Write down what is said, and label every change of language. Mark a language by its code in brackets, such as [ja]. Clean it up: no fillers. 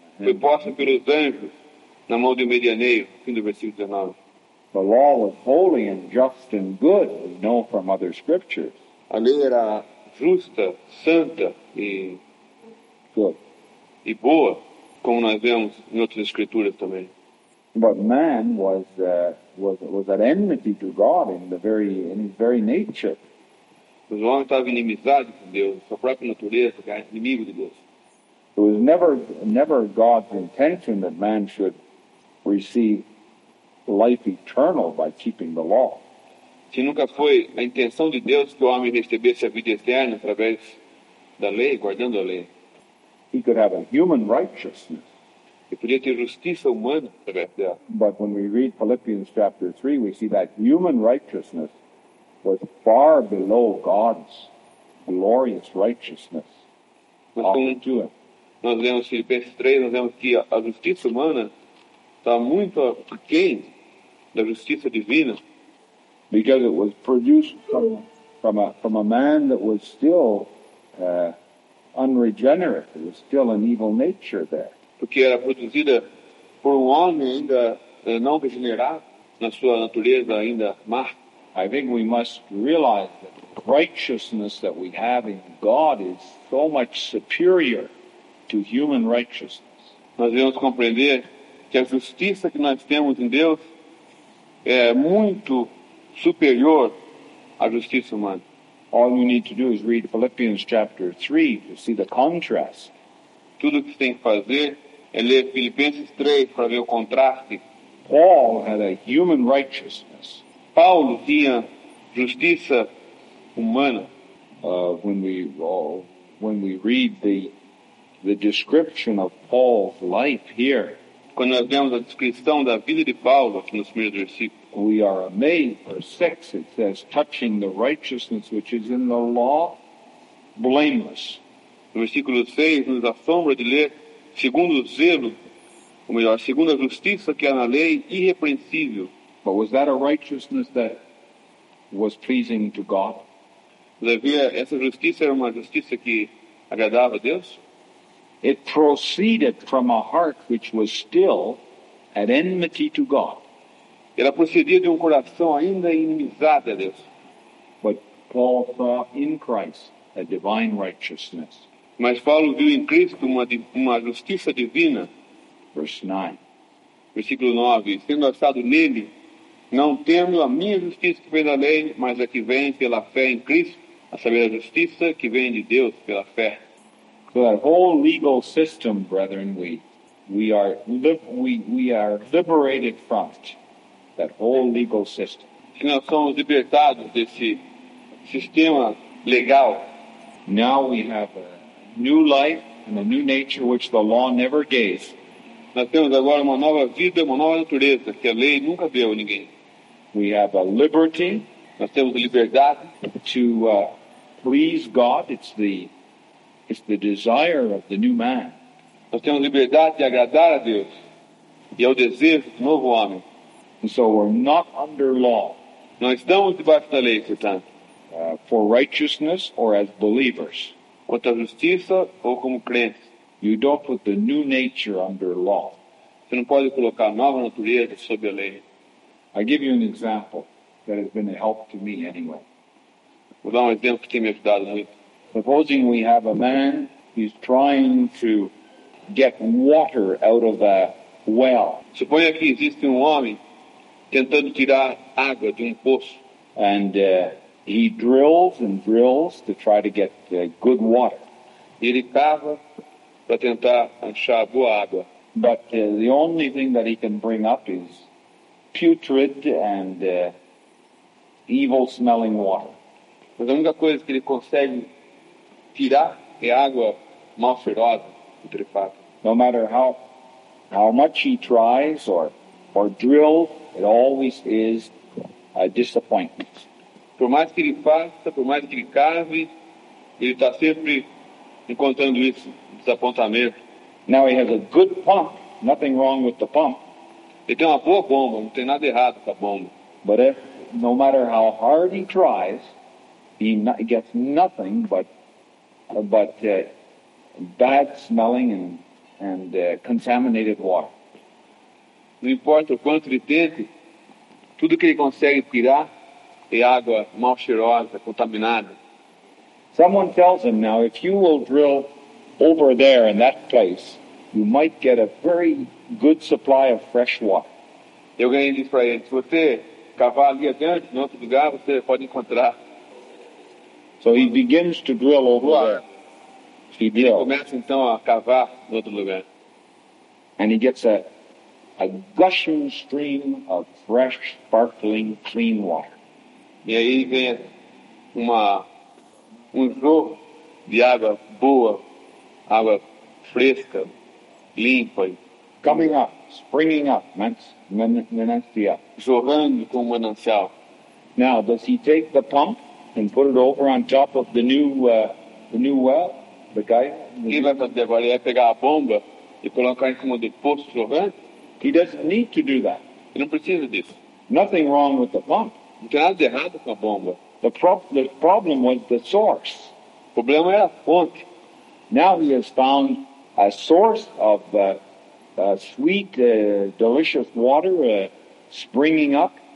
[pt] Foi posta pelos anjos na mão de um medianeiro, fim do versículo 19. [en] The law was holy and just and good, we know from other scriptures. [pt] A lei era justa, santa e [en] good. [pt] E boa, como nós vemos em outras escrituras também. [en] But man was at enmity to God in his very nature. [pt] Mas o homem estava inimizado com Deus, sua própria natureza, que era inimigo de Deus. [en] It was never God's intention that man should receive life eternal by keeping the law. [pt] Se nunca foi a intenção de Deus que o homem recebesse a vida eterna através da lei, guardando a lei. [en] He could have a human righteousness. [pt] Ele podia ter justiça humana através dela. [en] But when we read Philippians chapter 3, we see that human righteousness was far below God's glorious righteousness. [pt] Nós vemos em Filipenses 3, nós vemos que a justiça humana está muito aquém da justiça divina. [en] Because it was produced from a man that was still unregenerate, it was still an evil nature there. [pt] Porque era produzida por um homem ainda não regenerado, na sua natureza ainda má. [en] I think we must realize that the righteousness that we have in God is so much superior to human righteousness. [pt] Nós devemos compreender que a justiça que nós temos em Deus é muito superior à justiça humana. [en] All you need to do is read Philippians chapter 3 to see the contrast. [pt] Tudo que tem que fazer é ler Filipenses 3 para ver o contraste. [en] Paul had a human righteousness. [pt] Paulo tinha justiça humana. [en] When we read the description of Paul's life here. [pt] Quando nós vemos a descrição da vida de Paulo aqui nos primeiros versículos, [en] we are amazed. Verse 6, it says, touching the righteousness which is in the law, blameless. [pt] No versículo 6, nos assombra de ler, segundo o zelo, ou melhor, segundo a justiça que é na lei, irrepreensível. [en] But was that a righteousness that was pleasing to God? [pt] Havia, essa justiça era uma justiça que agradava a Deus? [en] It proceeded from a heart which was still at enmity to God. [pt] Ela procedia de um coração ainda inimizado a Deus. [en] But Paul saw in Christ a divine righteousness. [pt] Mas Paulo viu em Cristo uma justiça divina. [en] Verse 9. [pt] Versículo 9. Sendo assado nele, não tendo a minha justiça que vem da lei, mas a que vem pela fé em Cristo, a saber a justiça que vem de Deus pela fé. [en] So that whole legal system, brethren, we are liberated from it. That whole legal system. [pt] Se nós somos libertados desse sistema legal. [en] Now we have a new life and a new nature which the law never gave. [pt] Nós temos agora uma nova vida, uma nova natureza que a lei nunca deu a ninguém. [en] We have a liberty. [pt] Nós temos a liberdade [en] to please God. It's the desire of the new man. [pt] Nós temos liberdade de agradar a Deus. E é o desejo do novo homem. [en] And so we're not under law. [pt] Nós estamos debaixo da lei, portanto. [en] For righteousness or as believers. [pt] Quanto à justiça ou como crentes. [en] You don't put the new nature under law. [pt] Você não pode colocar nova natureza sob a lei. [en] I give you an example that has been a help to me anyway. [pt] Vou dar um exemplo que tem me ajudado muito. [en] Supposing we have a man, he's trying to get water out of a well. [pt] Suponha que existe um homem tentando tirar água de um poço. [en] And he drills and drills to try to get good water. [pt] E ele cava para tentar achar boa água. [en] But the only thing that he can bring up is putrid and evil-smelling water. [pt] Mas a única coisa que ele consegue tirar é água mal cheirosa, putrefata. [en] No matter how how much he tries or drill, it always is a disappointment. [pt] Por mais que ele faça, por mais que ele cave, ele está sempre encontrando isso, desapontamento. [en] Now he has a good pump, nothing wrong with the pump. [pt] Ele tem uma boa bomba, não tem nada errado com a bomba. [en] But if, no matter how hard he tries, he gets nothing but bad smelling and contaminated water. [pt] Não importa o quanto ele tente, tudo que ele consegue tirar é água mal cheirosa, contaminada. [en] Someone tells him, now, if you will drill over there in that place, you might get a very good supply of fresh water. [pt] Eu ganhei disso para ele. Se você cavar ali adiante, em outro lugar, você pode encontrar. [en] So he begins to drill over there. He drills. [pt] Ele começa, então, a cavar em outro lugar. [en] And he gets a gushing stream of fresh, sparkling, clean water. [pt] E aí vem um jorro de água boa, água fresca, limpa. [en] Coming up, springing up, manantial. [pt] Jorrando com manancial. [en] Now, does he take the pump and put it over on top of the new well? The guy? [pt] Ele vai fazer agora, ele vai pegar a bomba e colocar em cima do poço jorrante. [en] He doesn't need to do that. [pt] Ele não precisa disso. [en] Nothing wrong with the pump. [pt] Não tem nada errado com a bomba. [en] The problem was the source. [pt] O problema era a fonte. [en] Now he has found a source of delicious water springing up.